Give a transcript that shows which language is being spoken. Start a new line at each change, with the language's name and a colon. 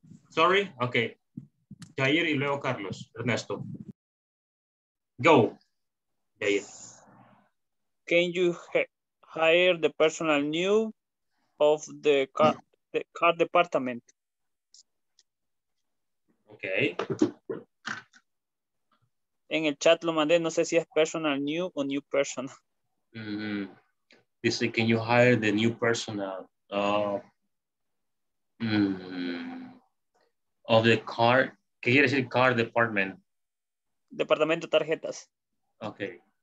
English: Sorry? Okay. Jair
Spanish: y luego
English: Carlos. Ernesto. Go. Jair. Can you hire the personal new of the car department? Okay.
Spanish: En el chat lo mandé, no sé si es
English: personal new
Spanish: o
English: new personal.
Spanish: Dice,
English: can you hire the new personal of the car?
Spanish: ¿Qué quiere decir car department? Departamento de tarjetas.
English: Okay.